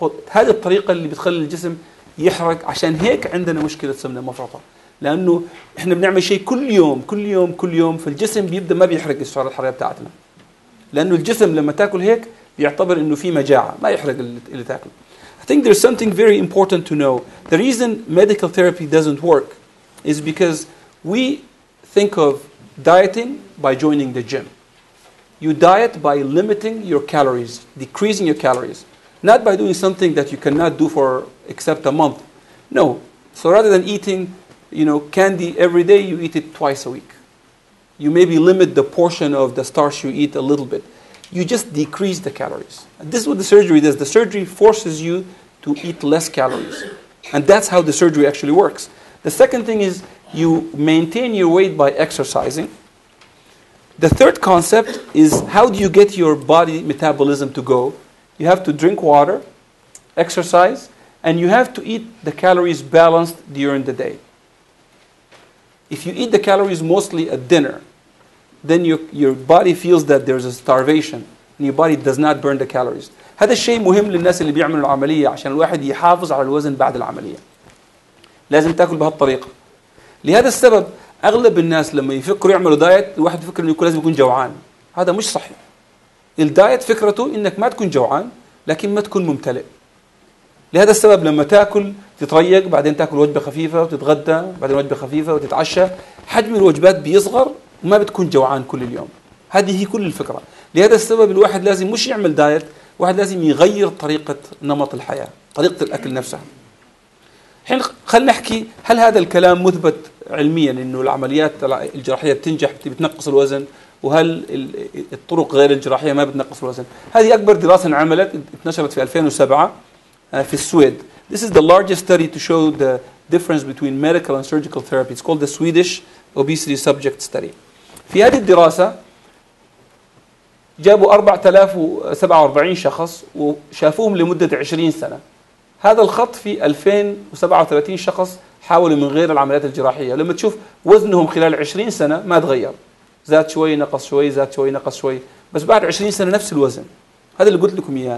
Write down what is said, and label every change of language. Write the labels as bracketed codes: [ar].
[ar] هذه الطريقة اللي بتخلي الجسم يحرق، عشان هيك عندنا مشكلة سمنة مفرطة، لأنه إحنا بنعمل شيء كل يوم كل يوم كل يوم، فالجسم بيبدأ ما بيحرق السعرات الحرارية بتاعتنا، لأنه الجسم لما تأكل هيك بيعتبر إنه في مجاعة، ما يحرق اللي تأكل. [en] I think there's something very important to know. The reason medical therapy doesn't work is because we think of dieting by joining the gym. You diet by limiting your calories, decreasing your calories, not by doing something that you cannot do for except a month. No. So rather than eating, you know, candy every day, you eat it twice a week. You maybe limit the portion of the starch you eat a little bit. You just decrease the calories. And this is what the surgery does. The surgery forces you to eat less calories. And that's how the surgery actually works. The second thing is you maintain your weight by exercising. The third concept is how do you get your body metabolism to go? You have to drink water, exercise, and you have to eat the calories balanced during the day. If you eat the calories mostly at dinner, then your body feels that there's a starvation, and your body does not burn the calories. [ar] هذا الشيء مهم للناس اللي بيعملوا العملية، عشان الواحد يحافظ على الوزن بعد العملية. لازم تأكل بهالطريقة. لهذا السبب أغلب الناس لما يفكروا يعملوا دايت، الواحد يفكر إنه يكون لازم يكون جوعان. هذا مش صحيح. الدايت فكرته إنك ما تكون جوعان، لكن ما تكون ممتلئ. لهذا السبب لما تأكل تتريق، بعدين تأكل وجبة خفيفة وتتغدى، بعدين وجبة خفيفة وتتعشى، حجم الوجبات بيصغر وما بتكون جوعان كل اليوم. هذه هي كل الفكرة. لهذا السبب الواحد لازم مش يعمل دايت، واحد لازم يغير طريقة نمط الحياة، طريقة الأكل نفسها. حين خلنا نحكي، هل هذا الكلام مثبت علميا إنه العمليات الجراحية بتنجح بتنقص الوزن، وهل الطرق غير الجراحية ما بتنقص الوزن؟ هذه أكبر دراسة عملت، انتشرت في 2007 في السويد. [en] This is the largest study to show the difference between medical and surgical therapy. It's called the Swedish Obesity Subject Study. [ar] في هذه الدراسة جابوا 4047 شخص وشافوهم لمدة 20 سنة. هذا الخط في 2037 شخص حاولوا من غير العمليات الجراحية. لما تشوف وزنهم خلال 20 سنة ما تغير، زاد شوي نقص شوي، زاد شوي نقص شوي، بس بعد 20 سنة نفس الوزن. هذا اللي قلت لكم إياه.